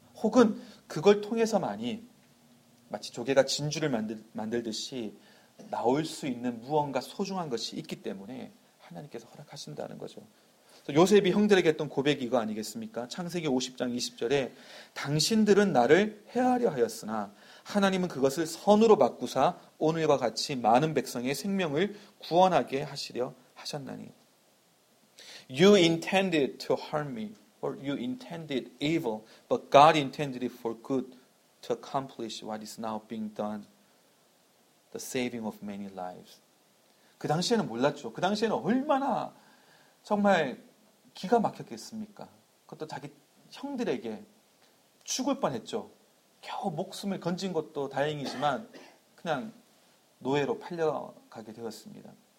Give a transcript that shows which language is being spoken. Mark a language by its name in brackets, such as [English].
[Korean] 혹은 그걸 통해서만이 마치 조개가 진주를 만들듯이 나올 수 있는 무언가 소중한 것이 있기 때문에 하나님께서 허락하신다는 거죠. 요셉이 형들에게 했던 고백이 이거 아니겠습니까? 창세기 50장 20절에 당신들은 나를 해하려 하였으나 하나님은 그것을 선으로 바꾸사 오늘과 같이 많은 백성의 생명을 구원하게 하시려 하셨나니. [English] You intended to harm me, or you intended evil, but God intended it for good to accomplish what is now being done, the saving of many lives. [Korean] 그 당시에는 몰랐죠. 그 당시에는 얼마나 정말 기가 막혔겠습니까? 그것도 자기 형들에게 죽을 뻔했죠. 겨우 목숨을 건진 것도 다행이지만 그냥 노예로 팔려가게 되었습니다.